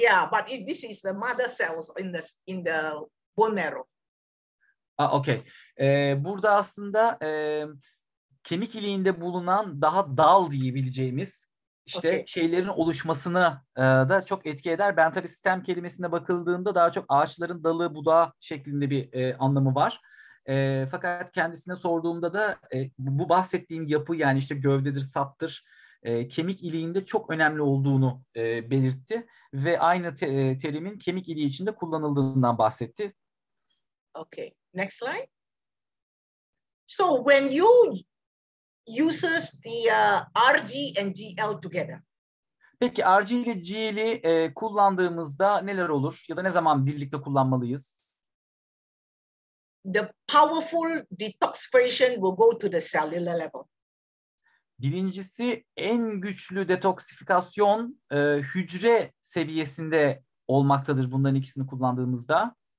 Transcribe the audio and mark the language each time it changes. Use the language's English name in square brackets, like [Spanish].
[English] but this is the mother cells in the bone marrow. Okay. [Turkish] Burada aslında kemik iliğinde bulunan daha dal diyebileceğimiz işte okay. Şeylerin oluşmasını da çok etki eder. Ben tabii stem kelimesine bakıldığında daha çok ağaçların dalı, budağı şeklinde bir anlamı var. Fakat kendisine sorduğumda da bu bahsettiğim yapı yani işte gövdedir, saptır, kemik iliğinde çok önemli olduğunu belirtti. Ve aynı terimin kemik iliği içinde kullanıldığından bahsetti. [English] Okay. Next slide. So when you uses the RG and GL together. [Turkish] Peki RG ile GL'i kullandığımızda neler olur ya da ne zaman birlikte kullanmalıyız? [English] The powerful detoxification will go to the cellular level. [Turkish] Birincisi en güçlü detoksifikasyon hücre seviyesinde olmaktadır bunların ikisini kullandığımızda.